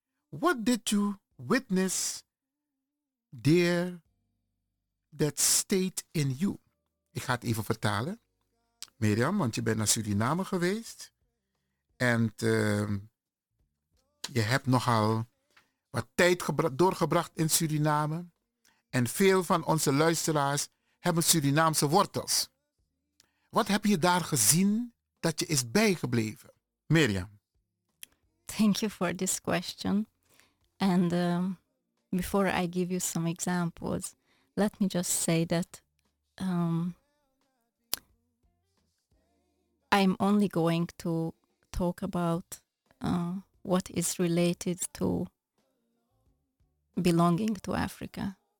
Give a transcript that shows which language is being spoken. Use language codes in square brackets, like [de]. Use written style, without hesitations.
[en] What did you witness there that stayed in you? [nl] Ik ga het even vertalen. Mirjam, want je bent naar Suriname geweest. En je hebt nogal wat tijd doorgebracht in Suriname. En veel van onze luisteraars hebben Surinaamse wortels. Wat heb je daar gezien dat je is bijgebleven? Mirjam. [en] Thank you for this question. And before I give you some examples, let me just say that I'm only going to talk about what is related to belonging to Africa.